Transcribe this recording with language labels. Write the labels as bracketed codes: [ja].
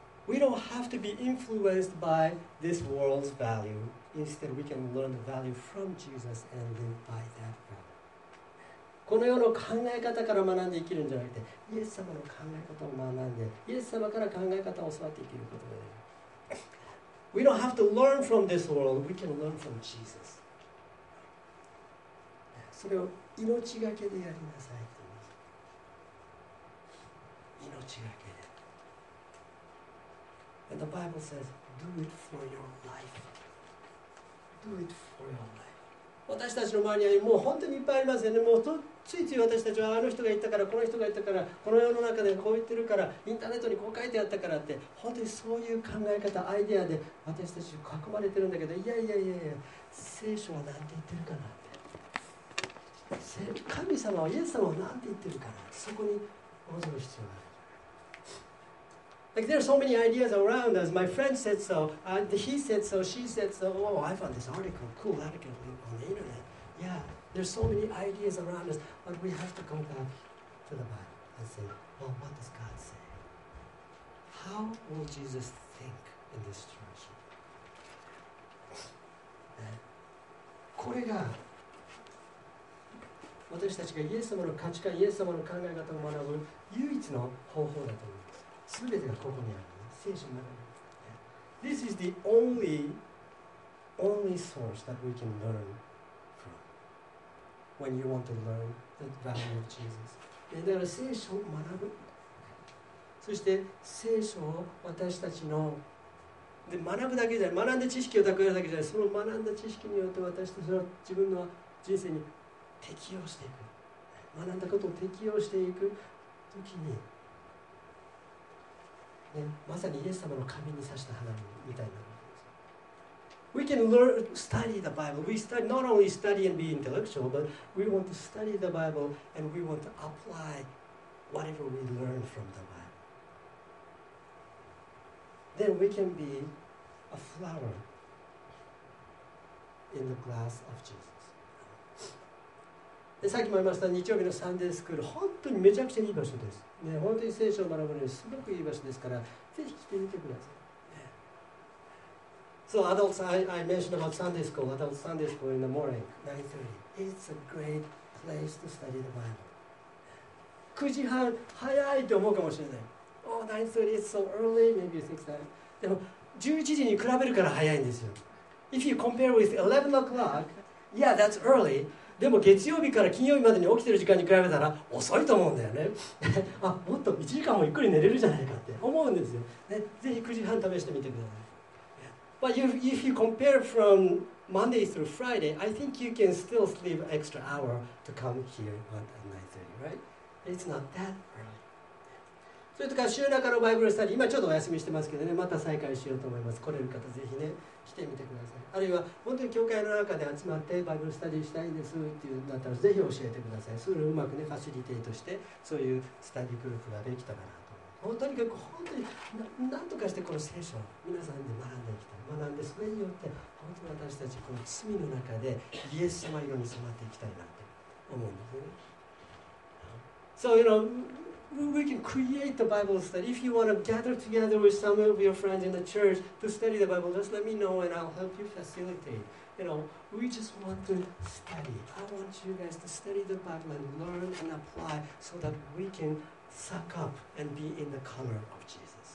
[en] We don't have to be influenced by this world's value. Instead, we can learn the value from Jesus and live by that value. [ja] この世の考え方から学んで生きるんじゃなくて、イエス様の考え方を学んで、イエス様から考え方を教わって生きることができる。 [en] We don't have to learn from this world. We can learn from Jesus. [ja] それを命がけでやりなさいと言う。命がけで。 [en] And the Bible says, do it for your life. Do it for your life. [ja] 私たちの周りにはもう本当にいっぱいありますよね。もうついつい私たちはあの人が言ったから、この人が言ったから、この世の中でこう言ってるから、インターネットにこう書いてあったからって、本当にそういう考え方、アイデアで私たち囲まれてるんだけど、いや、聖書は何て言ってるかなって。神様は、イエス様は何て言ってるかなって、そこに戻る必要がある。 [en] Like, there are so many ideas around us. My friend said so, he said so, she said so. Oh, I found this article, cool article on the internet. Yeah, there are so many ideas around us, but we have to go back to the Bible and say, well, what does God say? How will Jesus think in this situation? [ja] これが私たちがイエス様の価値観、イエス様の考え方を学ぶ唯一の方法だと思う。全てがここにある、ね、聖書の中に、ね、 [en] This is the only source that we can learn from when you want to learn the value of Jesus. [ja] だから聖書を学ぶ、そして聖書を私たちので学ぶだけじゃない、学んだ知識を蓄えるだけじゃない、その学んだ知識によって私たちは自分の人生に適応していく、学んだことを適応していくときにね、まさにイエス様の髪に刺した花みたいな。 [en] We can learn, study the Bible. We study, not only study and be intellectual, but we want to study the Bible and we want to apply whatever we learn from the Bible. Then we can be a flower in the glass of Jesus. [ja] でさっきも言いました日曜日のサンデースクール、本当にめちゃくちゃいい場所です。ね、本当に聖書を学ぶのにすごくいい場所ですから、ぜひ来てみてください。 [en] So adults, I mentioned about Sunday school. Adult Sunday school in the morning, 9:30. It's a great place to study the Bible. [ja] 9時半早いと思うかもしれない。 [en] Oh, 9:30 is so early. Maybe you think that. [ja] でも11時に比べるから早いんですよ。 [en] If you compare with 11 o'clock, yeah, that's early. [ja] でも月曜日から金曜日までに起きてる時間に比べたら遅いと思うんだよね。あ、もっと1時間もゆっくり寝れるじゃないかって思うんですよ。ね、ぜひ9時半試してみてください。 [en] But if you compare from Monday through Friday, I think you can still sleep extra hour to come here at 9:30, right? It's not that early. [ja] それとか週中のバイブルスタディ、今ちょっとお休みしてますけどね、また再開しようと思います。来れる方ぜひね。来てみてください。あるいは本当に教会の中で集まってバイブルスタディしたいんですっていうんだったらぜひ教えてください。それをうまくねファシリテイトしてそういうスタディグループができたかなと思います。本当に本当に何とかしてこの聖書を皆さんで学んでいきたい。学んでそれによって本当に私たちこの罪の中でイエス様色に染まっていきたいなって思うんですね。 [en] So you know. We can create the Bible study. If you want to gather together with some of your friends in the church to study the Bible, just let me know and I'll help you facilitate. You know, we just want to study. I want you guys to study the Bible and learn and apply so that we can suck up and be in the color of Jesus.